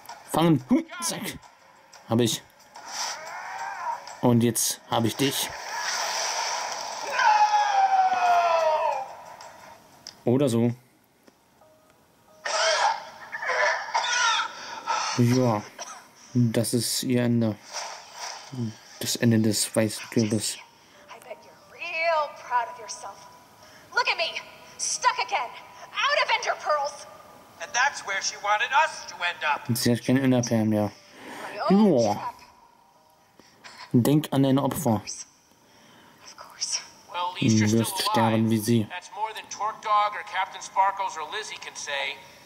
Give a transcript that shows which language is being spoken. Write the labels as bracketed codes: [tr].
[de] Fangen. Zack. Hab ich. Und jetzt hab ich dich. Oder so. Ja. Das ist ihr Ende. Das Ende des weißen Kürbis. [en] I bet you're real proud of yourself. Look at me. Stuck again. Out of Ender Pearls. And that's where she wanted us to end up. [de] Sie hat keine Enderperlen, ja. Ja. Denk an deine Opfer. Du wirst sterben wie sie. [en] That's more than Torque Dog or Captain Sparkles or Lizzie can say.